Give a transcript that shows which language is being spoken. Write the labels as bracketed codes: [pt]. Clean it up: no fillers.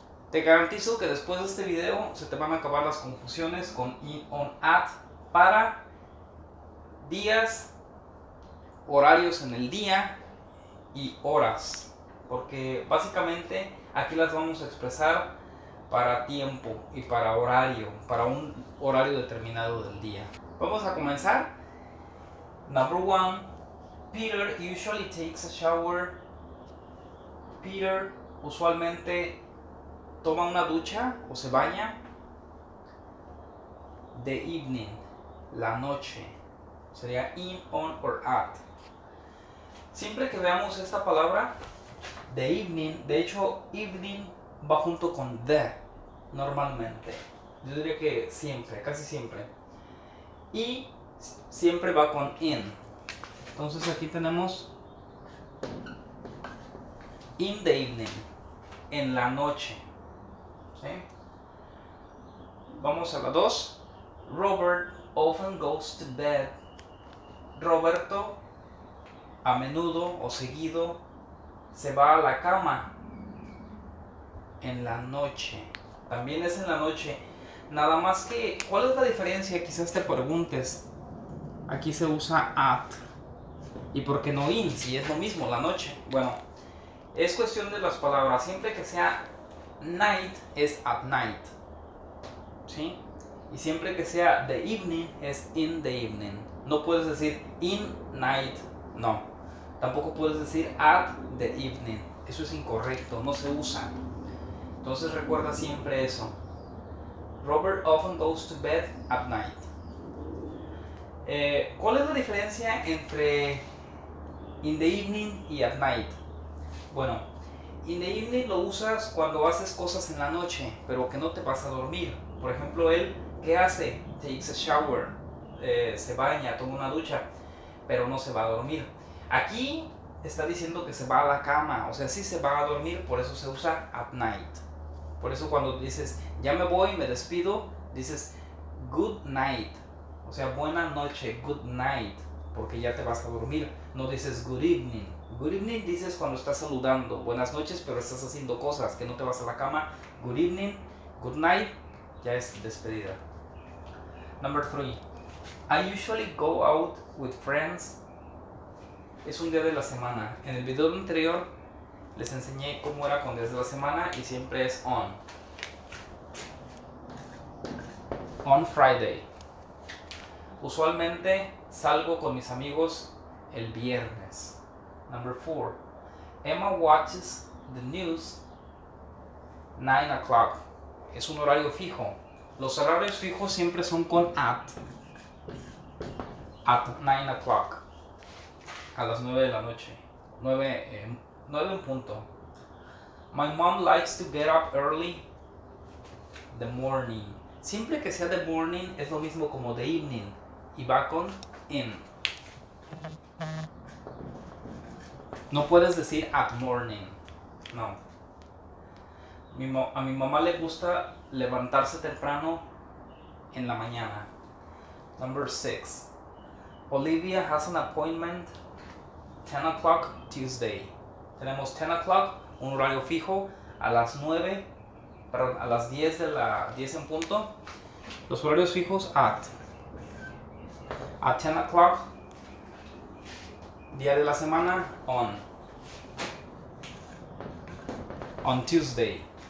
[es] Te garantizo que después de este video se te van a acabar las confusiones con in, on, at para días, horarios en el día y horas. Porque básicamente aquí las vamos a expresar para tiempo y para horario, para un horario determinado del día. Vamos a comenzar. [en] Number one, Peter usually takes a shower. [es] Peter usualmente toma una ducha o se baña. [en] The evening, [es] la noche. Sería in, on or at. Siempre que veamos esta palabra, the evening, de hecho, evening va junto con the, normalmente. Yo diría que siempre, casi siempre. Y siempre va con in. Entonces aquí tenemos [en] in the evening, [es] en la noche. ¿Sí? Vamos a la 2. [en] Robert often goes to bed. [es] Roberto a menudo o seguido se va a la cama en la noche. También es en la noche. Nada más que, ¿cuál es la diferencia? Quizás te preguntes. Aquí se usa at. ¿Y por qué no in? Si es lo mismo, la noche. Bueno, es cuestión de las palabras. Siempre que sea night, es [en] at night. [es] ¿Sí? Y siempre que sea the evening, es [en] in the evening. [es] No puedes decir [en] in night, [es] no. Tampoco puedes decir [en] at the evening. [es] Eso es incorrecto, no se usa. Entonces recuerda siempre eso. [en] Robert often goes to bed at night. [es] ¿Cuál es la diferencia entre [en] in the evening [es] y [en] at night? [es] Bueno, [en] in the evening [es] lo usas cuando haces cosas en la noche, pero que no te vas a dormir. Por ejemplo, él, ¿qué hace? [en] Takes a shower. [es] Se baña, toma una ducha, pero no se va a dormir. Aquí está diciendo que se va a la cama, o sea, sí se va a dormir, por eso se usa [en] at night. [es] Por eso cuando dices, ya me voy, me despido, dices, [en] good night. [es] O sea, buena noche, [en] good night, [es] porque ya te vas a dormir. No dices [en] good evening. Good evening [es] dices cuando estás saludando, buenas noches, pero estás haciendo cosas, que no te vas a la cama. [en] Good evening, good night, [es] ya es despedida. [en] Number three. I usually go out with friends. [es] Es un día de la semana. En el video anterior les enseñé cómo era con días de la semana y siempre es on. [en] On Friday. [es] Usualmente salgo con mis amigos el viernes. [en] Number four. Emma watches the news 9 o'clock. [es] Es un horario fijo. Los horarios fijos siempre son con at. [en] At 9 o'clock. [es] A las 9 de la noche. 9 en punto. [en] My mom likes to get up early the morning. [es] Siempre que sea [en] the morning [es] es lo mismo como [en] the evening. [es] Y va con in. No puedes decir [en] at morning. [es] No. A mi mamá le gusta levantarse temprano en la mañana. [en] Number 6. Olivia has an appointment 10 o'clock Tuesday. [es] Tenemos [en] 10 o'clock, [es] un horario fijo, a las 9, perdón, a las 10 de la 10 en punto. Los horarios fijos [en] at 10 o'clock, [es] día de la semana, [en] on Tuesday.